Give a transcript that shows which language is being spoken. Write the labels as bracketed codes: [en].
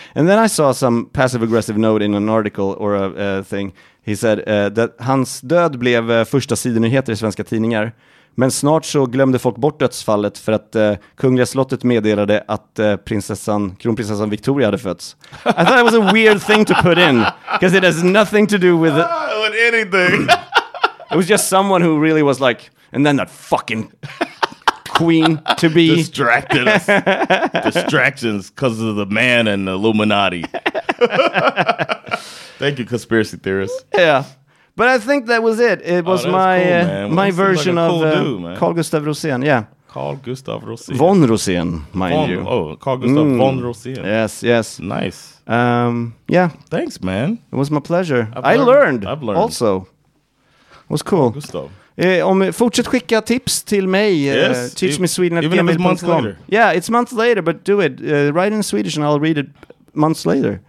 [en] And then I saw some passive-aggressive note in an article or a thing. He said that [sv] hans död blev första sidonyheter i svenska tidningar. Men snart så glömde folk bort dödsfallet för att Kungliga slottet meddelade att kronprinsessan Victoria hade fötts. [en] I thought it was a weird thing to put in. Because it has nothing to do with it. With anything. It was just someone who really was like, and then that fucking... queen to be distracted distractions because of the man and the Illuminati. Thank you, conspiracy theorists. Yeah, but I think that was it. It was my version of Carl Gustav Rosén. Yeah, Carl Gustav Rosén von Rosén, mind von, you. Oh, Carl Gustav von Rosén. Yes. Nice. Yeah. Thanks, man. It was my pleasure. I learned. Also, it was cool. Gustav. [sv] Fortsätt skicka tips till mig. [en] Yes, teachmesweden@gmail.com. Yeah, it's months later, but do it. Write in Swedish and I'll read it months later.